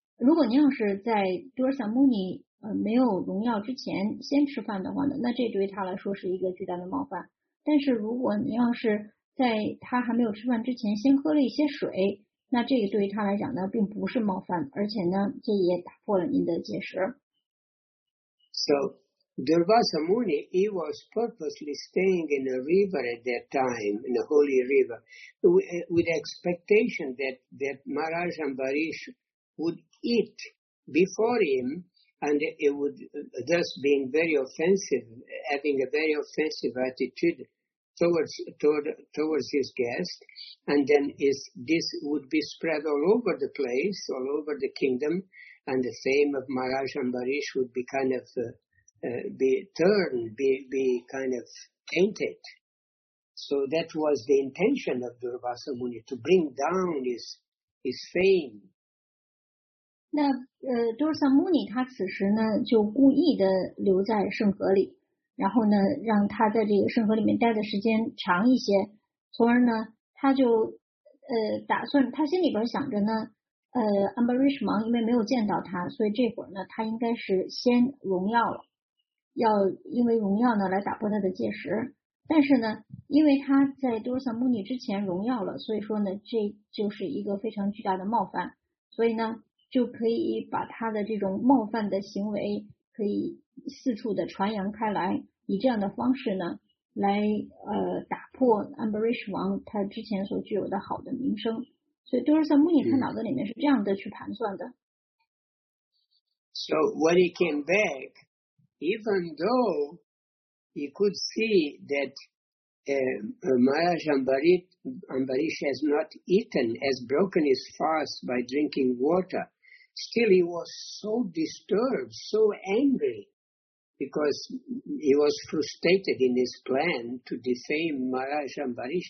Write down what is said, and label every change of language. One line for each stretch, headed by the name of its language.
Chinese: 如果您要是在多尔萨穆尼没有荣耀之前先吃饭的话呢，那这对他来说是一个巨大的冒犯。但是如果您要是在他还没有吃饭之前先喝了一些水，那这个对于他来讲呢并不是冒犯，而且呢这也打破了您的戒食。
English: So, Durvasa Muni, he was purposely staying in a river at that time, in a holy river, with expectation that Maharaj Ambarish would eat before him, and it would thus being very offensive, having a very offensive attitude towards his guest, and then this would be spread all over the place, all over the kingdom, and the fame of Maharaj Ambarish would be kind of be kind of tainted. So that was the intention of Durvasa Muni, to bring down his fame.
Chinese: 那多尔萨穆尼他此时呢就故意的留在圣河里，然后呢让他在这个圣河里面待的时间长一些，从而呢他就打算，他心里边想着呢Ambarish 王因为没有见到他，所以这会儿呢他应该是先荣耀了，要因为荣耀呢来打破他的戒食。但是呢因为他在多尔萨穆尼之前荣耀了，所以说呢这就是一个非常巨大的冒犯，所以呢就可以把他的这种冒犯的行为可以四处的传扬开来，以这样的方式呢来打破 Ambarish 王他之前所具有的好的名声。所以 Durvasa Muni 他脑子里面是这样的去盘算的。
English: So when he came back, even though he could see that Maharaj Ambarish has not eaten, has broken his fast by drinking water,still, he was so disturbed, so angry, because he was frustrated in his plan to defame Maharaj Ambarish.